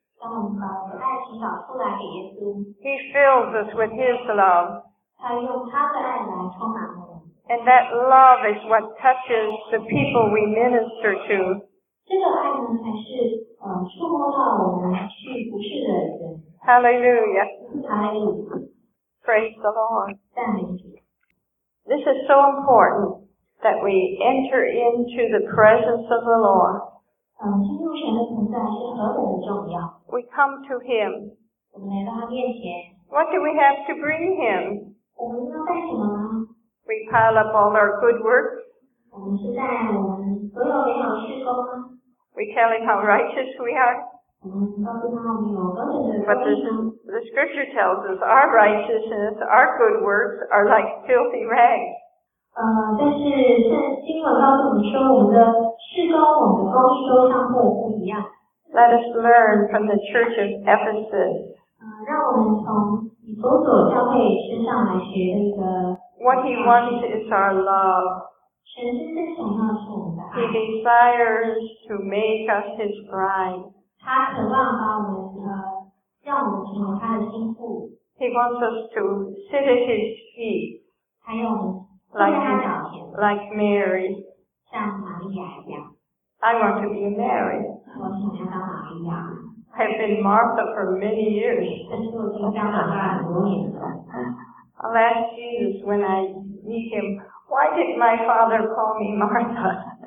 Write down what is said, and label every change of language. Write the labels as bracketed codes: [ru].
[zh] 当我们把我们爱倾倒出来给耶稣 [en] He fills us with His love. [zh] 他用他的爱来充满我们 [en] And that love is what touches the people we minister to. [zh] 这个爱呢，才是触摸到我们去服侍的人。 [en] Hallelujah. Hallelujah. Praise the Lord. [zh] 赞美主。 [en] This is so important. That we enter into the presence of the Lord. [zh] 进入神的同在是何等的重要。 [en] We come to Him. [zh] 我们来到他面前。 [en] What do we have to bring Him? [zh] 我们要带什么呢？ [en] We pile up all our good works. [zh] 我们是带我们所有美好事工吗？ [en] We tell Him how righteous we are. [zh] 我们告诉他我们有何等的公义。 [en] But the Scripture tells us our righteousness, our good works are like filthy rags. [zh] 但是经文告诉我们说，我们的事工、我们的公义都像墨不一样。 [en] Let us learn from the church of Ephesus. [zh] 让我们从以弗所教会身上来学那个。 [en] What he wants is our love. [zh] 神真正想要的是我们的爱。 [en] He desires to make us his bride. [zh] 他渴望把我们让我们成为他的心腹。 [en] He wants us to sit at his feet. [zh] 他要我们。 [en] Like Mary. [zh] 像玛利亚一样。 [en] I want to be Mary. [zh] 我想要当玛利亚。 [en] I have been Martha for many years. [zh] 但是我已经当玛利亚很多年了。 [en] I'll ask Jesus when I meet him, why did my father call me Martha?